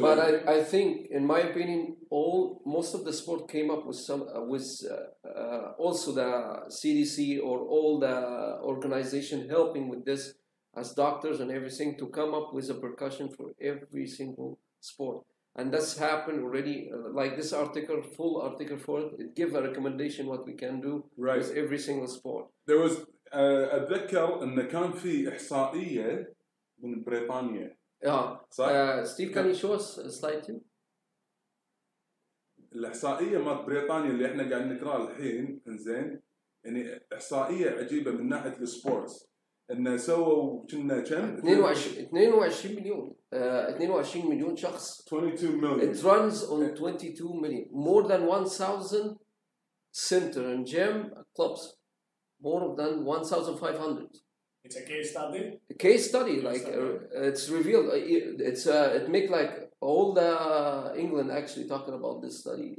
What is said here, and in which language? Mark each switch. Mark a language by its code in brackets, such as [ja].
[en] But I think, in my opinion, most of the sport came up with some with also the CDC or all the organization helping with this as doctors and everything to come up with a precaution for every single sport. And that's happened already. Like this article, full article for it, it gives a recommendation what we can do right. with every single sport. There was. [ar] أتذكر أن كان في إحصائية من بريطانيا. صح. ستيف كان يشوف سلايتين. الإحصائية مع بريطانيا اللي إحنا قاعد نقرأ الحين إنزين يعني إحصائية عجيبة من ناحية السبورتس إن سووا كنا كم؟ 22 مليون 22 مليون شخص. 22 مليون. [en] It runs on 22 million more than 1,000 center and gym clubs. More than 1,500. It's a case study. A case study, like it's revealed. It's it make like all the England actually talking about this study.